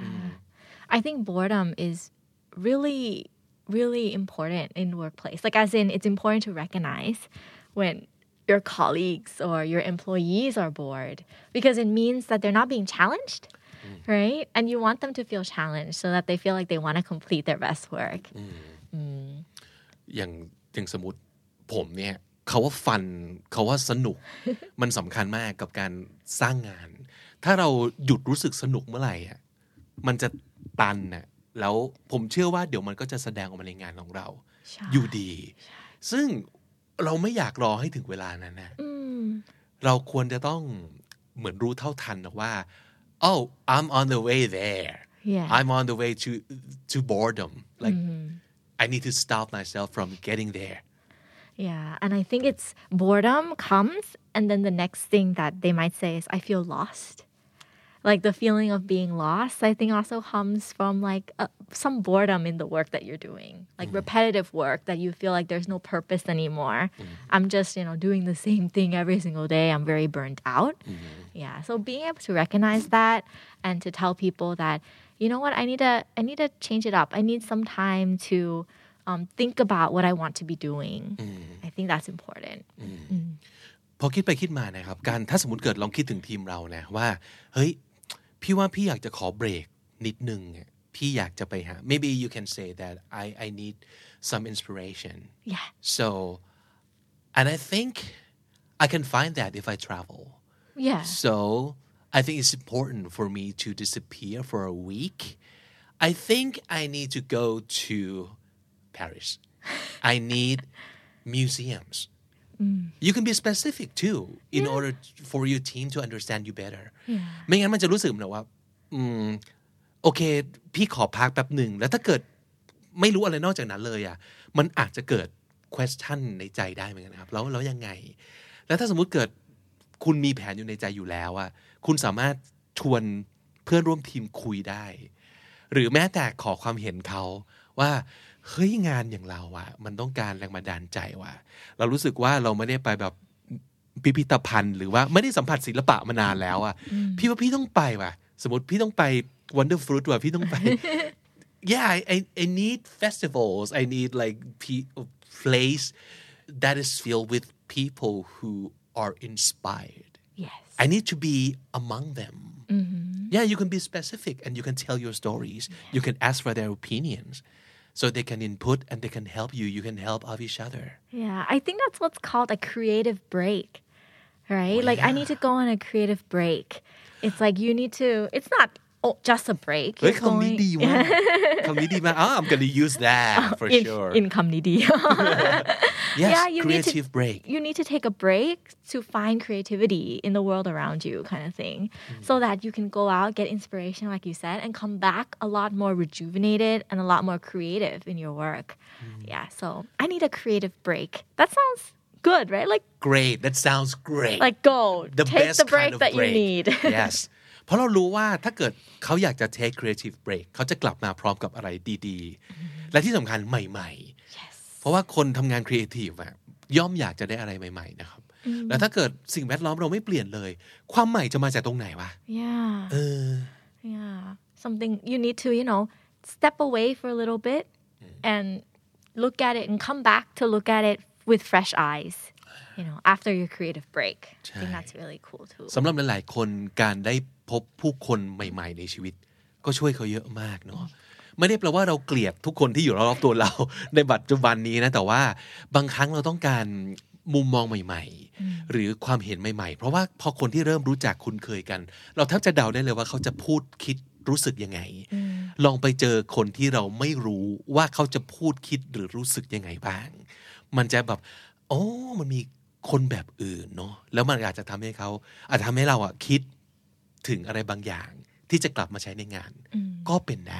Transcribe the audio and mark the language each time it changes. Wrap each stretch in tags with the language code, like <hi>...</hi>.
<en>Mm. I think boredom is really important in workplace. Like as in, it's important to recognize when your colleagues or your employees are bored because it means that they're not being challenged, right? And you want them to feel challenged so that they feel like they want to complete their best work.</en> <th>อย่างสมมุติผมเนี่ยคำว่าฟันคำว่าสนุกมันสำคัญมากกับการสร้างงานถ้าเราหยุดรู้สึกสนุกเมื่อไหร่อ่ะมันจะตันน่ะแล้วผมเชื่อว่าเดี๋ยวมันก็จะแสดงออกมาในงานของเราอยู่ดีซึ่งเราไม่อยากรอให้ถึงเวลานั้นนะเราควรจะต้องเหมือนรู้เท่าทันว่า</th> <en>oh I'm on the way there yeah. I'm on the way to boredom like I need to stop myself from getting there yeah and I think it's boredom comes and then the next thing that they might say is I feel lostLike the feeling of being lost, I think also comes from like some boredom in the work that you're doing. Like repetitive work that you feel like there's no purpose anymore. I'm just, you know, doing the same thing every single day. I'm very burnt out. Yeah. So being able to recognize that and to tell people that, you know what, I need to change it up. I need some time to think about what I want to be doing. I think that's important.</en> <th>พอคิดไปคิดมานะครับการถ้าสมมติเกิดลองคิดถึงทีมเรานะว่าเฮ้ยพี่ว่าพี่อยากจะขอเบรกนิดนึงพี่อยากจะไปหา</th> <en>maybe you can say that I need some inspiration yeah so and I think I can find that if I travel yeah so I think it's important for me to disappear for a week I think I need to go to Paris I need museumsYou can be specific too in yeah. order for your team to understand you better. Yeah.</en> <th>ไม่งั้นมันจะรู้สึกเหมือนว่าโอเคพี่ขอพักแป๊บหนึ่งแล้วถ้าเกิดไม่รู้อะไรนอกจากนั้นเลยอ่ะมันอาจจะเกิด question ในใจได้เหมือนกันครับแล้วยังไงแล้วถ้าสมมุติเกิดคุณมีแผนอยู่ในใจอยู่แล้วอ่ะคุณสามารถชวนเพื่อนร่วมทีมคุยได้หรือแม้แต่ขอความเห็นเขาว่าเฮ้ยงานอย่างเราอะมันต้องการแรงบันดาลใจว่ะเรารู้สึกว่าเราไม่ได้ไปแบบ พิพิธภัณฑ์หรือว่าไม่ได้สัมผัสศิลปะมานานแล้วอะพี่ว่าพี่ต้องไปว่ะสมมติพี่ต้องไป Wonderfruit ว่ะพี่ต้องไป</th> <en>Yeah I need festivals I need like place that is filled with people who are inspired Yes I need to be among themYeah, you can be specific and you can tell your stories. Yeah. You can ask for their opinions so they can input and they can help you. You can help of each other. Yeah, I think that's what's called a creative break, right? Oh, like, yeah. I need to go on a creative break. It's like you need to, it's not Oh, just a break.</en> <th>เฮ้ยคำนี้ดีมากคำนี้ดีมาก</th> <en>I'm gonna use that for sure.</en> <th>In คำนี้ดี</th> <en>Yes, yeah, creative break. You need to take a break to find creativity in the world around you kind of thing. So that you can go out, get inspiration like you said, and come back a lot more rejuvenated and a lot more creative in your work. Yeah, so I need a creative break. That sounds good, right? Like Great, that sounds great. Like go, the take best the break kind of that break. You need. Yes.</en> <th>เพราะเรารู้ว่าถ้าเกิดเขาอยากจะ</th> <en>take creative break</en> <th>เขาจะกลับมาพร้อมกับอะไรดีๆและที่สำคัญใหม่ๆ</th> <en>yes.</en> <th>เพราะว่าคนทำงาน creative อ่ะย่อมอยากจะได้อะไรใหม่ๆนะครับแล้วถ้าเกิดสิ่งแวดล้อมเราไม่เปลี่ยนเลยความใหม่จะมาจากตรงไหนวะ</th> <en>yeah เออ yeah something you need to you know step away for a little bit and look at it and come back to look at it with fresh eyesYou know, after your creative break, I think that's really cool too.</en> <th>สำหรับหลายๆคนการได้พบผู้คนใหม่ๆในชีวิตก็ช่วยเขาเยอะมากเนาะไม่ได้แปลว่าเราเกลียดทุกคนที่อยู่รอบตัวเราในปัจจุบันนี้นะแต่ว่าบางครั้งเราต้องการมุมมองใหม่ ๆหรือความเห็นใหม่ๆเพราะว่าพอคนที่เริ่มรู้จักคุ้นเคยกันเราแทบจะเดาได้เลยว่าเขาจะพูดคิดรู้สึกยังไงลองไปเจอคนที่เราไม่รู้ว่าเขาจะพูดคิดหรือรู้สึกยังไงบ้างมันจะแบบโอ้มันมีคนแบบอื่นเนาะแล้วมันอาจจะทำให้เขาอาจจะทำให้เราอ่ะคิดถึงอะไรบางอย่างที่จะกลับมาใช้ในงานก็เป็นได</th>